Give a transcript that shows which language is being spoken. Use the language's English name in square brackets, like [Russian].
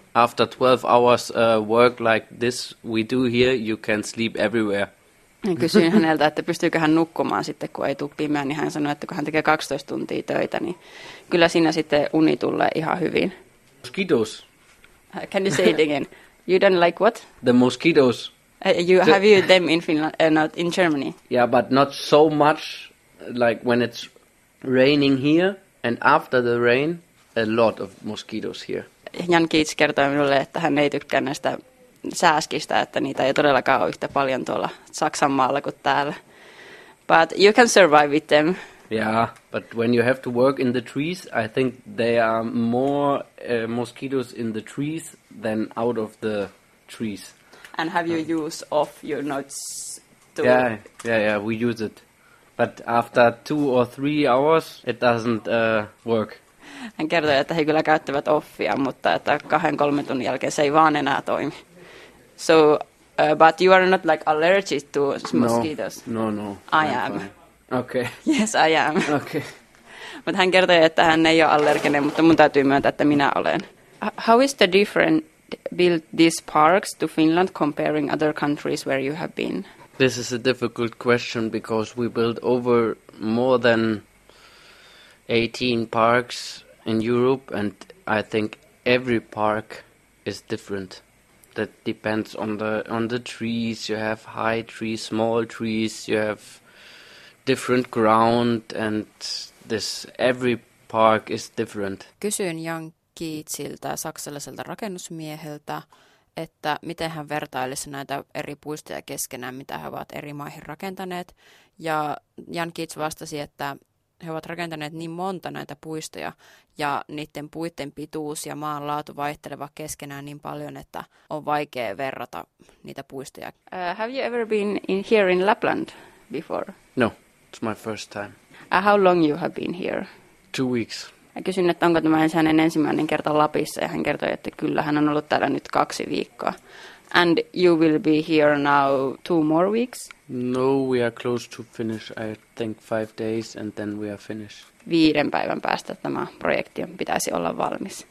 [English] After 12 hours work like this we do here, you can sleep everywhere. [Finnish] Kysyin häneltä, että pystyykö hän nukkumaan sitten, kun ei tule pimeä, niin hän sanoi, että kun hän tekee 12 tuntia töitä, niin kyllä siinä sitten uni tulee ihan hyvin. [English] Mosquitoes. Can you say it again? You don't like what? The mosquitoes. Have you them in Finland, not in Germany? Yeah, but not so much, like when it's raining here, and after the rain, a lot of mosquitoes here. [Finnish] Jan Kietz kertoi minulle, että hän ei tykkää näistä sääskistä, että niitä ei todellakaan ole yhtä paljon tuolla Saksan maalla kuin täällä. [English] But you can survive with them. Yeah, but when you have to work in the trees, I think there are more mosquitoes in the trees than out of the trees. And have you use of your notes to... Yeah, we use it. But after 2 or 3 hours, it doesn't work. [Finnish] Hän kertoi, että he kyllä käyttävät offia, mutta että 2-3 tunnin jälkeen se ei vaan enää toimi. [English] So, but you are not like allergic to mosquitoes. No. I am. Okay. Yes, I am. Okay. [Finnish] But hän kertoi, että hän ei ole allerginen, mutta mun täytyy myöntää, että minä olen. [English] How is the different build these parks to Finland comparing other countries where you have been? This is a difficult question because we build over more than 18 parks in Europe and I think every park is different. That depends on the trees. You have high trees, small trees, you have different ground, and this every park is different. [Finnish] Kysyin Jan Kietziltä, saksalaiselta rakennusmieheltä, että miten hän vertailisi näitä eri puistoja keskenään, mitä he ovat eri maihin rakentaneet. Ja Jan Kietz vastasi, että he ovat rakentaneet niin monta näitä puistoja ja niiden puitten pituus ja maan laatu vaihtelevat keskenään niin paljon, että on vaikea verrata niitä puistoja. [English] Have you ever been in here in Lapland before? No, it's my first time. How long you have been here? 2 weeks. [Finnish] Mä kysyin, että onko tämä hänen ensimmäinen kerta Lapissa, ja hän kertoi, että kyllä, hän on ollut täällä nyt 2 viikkoa. [English] And you will be here now 2 more weeks? No, we are close to finish, I think 5 days, and then we are finished. [Finnish] 5 päivän päästä tämä projekti pitäisi olla valmis.